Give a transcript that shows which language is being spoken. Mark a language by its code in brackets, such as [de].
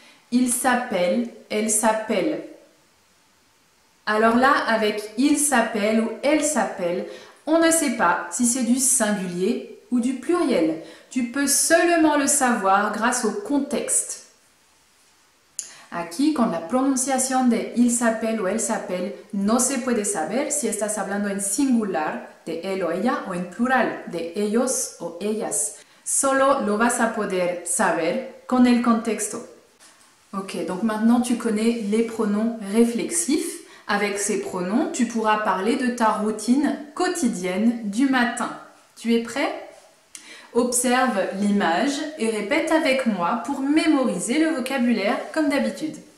[fr] Il s'appelle, elle s'appelle. Alors là, avec il s'appelle ou elle s'appelle, on ne sait pas si c'est du singulier ou du pluriel. Tu peux seulement le savoir grâce au contexte. [es] Aquí, con la pronunciación de [fr] il s'appelle [es] o [fr] elle s'appelle, [es] no se puede saber si estás hablando en singular de él o ella o en plural de ellos o ellas. Solo lo vas a poder saber con el contexto. [fr] Ok, donc maintenant tu connais les pronoms réflexifs. Avec ces pronoms, tu pourras parler de ta routine quotidienne du matin. Tu es prêt? Observe l'image et répète avec moi pour mémoriser le vocabulaire comme d'habitude.